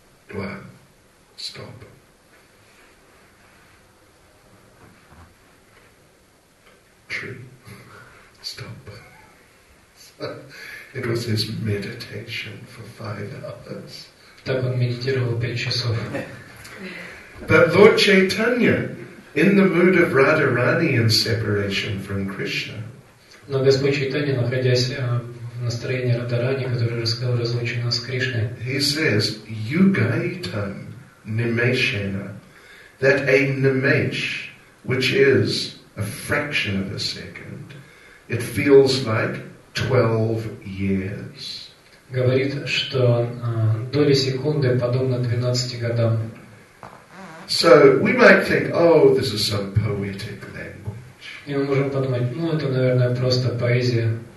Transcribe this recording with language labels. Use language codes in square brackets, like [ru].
[ru] Два. Стоп. Три. Стоп. [en] It was his meditation for 5 hours. [ru] Так он медитировал 5 часов. [en] But Lord Chaitanya, in the mood of Radharani in separation from Krishna. [ru] Но Господь Чайтанья, находясь настроение Радарани, которое рассказал разлучено с Кришной. [en] He says, Yugaitam Nimeshena, that a Nimesh, which is a fraction of a second, it feels like 12 years. [ru] Говорит, что доли секунды подобно 12 годам. [en] So we might think, oh, this is some poetic language. [ru] И мы можем подумать, ну это, наверное, просто поэзия.